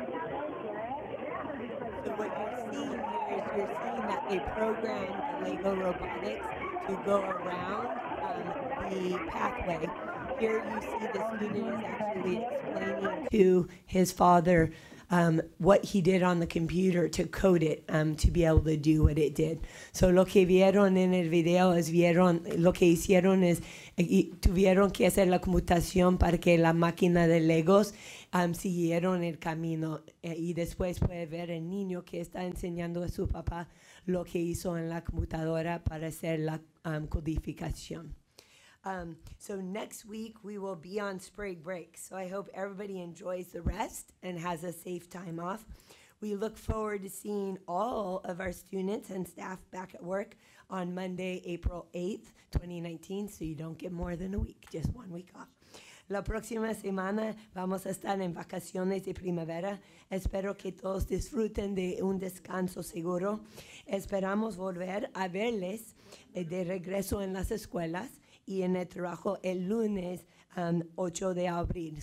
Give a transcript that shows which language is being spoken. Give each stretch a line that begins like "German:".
English: you're seeing here is you're seeing that they programmed the Lego robotics to go around the pathway. Here you see the student is actually explaining to his father what he did on the computer to code it to be able to do what it did.
Spanish: So lo que vieron en el video es vieron lo que hicieron es tuvieron que hacer la computación para que la máquina de Legos siguieron el camino y después puede ver el niño que está enseñando a su papá lo que hizo en la computadora para hacer la codificación.
English: So next week we will be on spring break. So I hope everybody enjoys the rest and has a safe time off. We look forward to seeing all of our students and staff back at work on Monday, April 8th, 2019. So you don't get more than a week, just 1 week off.
Spanish: La próxima semana vamos a estar en vacaciones de primavera. Espero que todos disfruten de un descanso seguro. Esperamos volver a verles de regreso en las escuelas y en el trabajo el lunes 8 de abril.